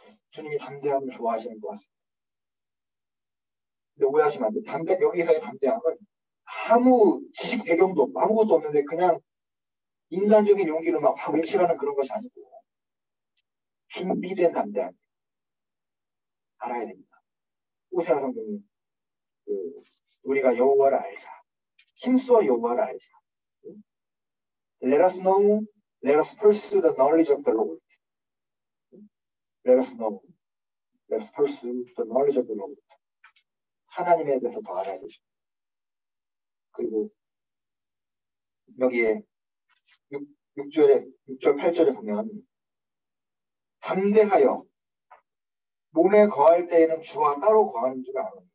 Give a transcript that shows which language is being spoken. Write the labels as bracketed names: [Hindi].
[Korean] 주님이 담대함을 좋아하시는 것 같습니다 근데 오해하시면 안 돼요 여기서의 담대함은 아무 지식 배경도 아무것도 없는데 그냥 인간적인 용기로 막 외치라는 그런 것이 아니고 준비된 담대함 알아야 됩니다. 호세아 성경이 우리가 여호와를 알자. 힘써 여호와를 알자. [English] Let us know, let us pursue the knowledge of the Lord. Let us know, let us pursue the knowledge of the Lord. [Korean] 하나님에 대해서 더 알아야 되죠. 그리고 여기에 6절 8절에 보면 담대하여 몸에 거할 때에는 주와 따로 거하는 줄 알아요.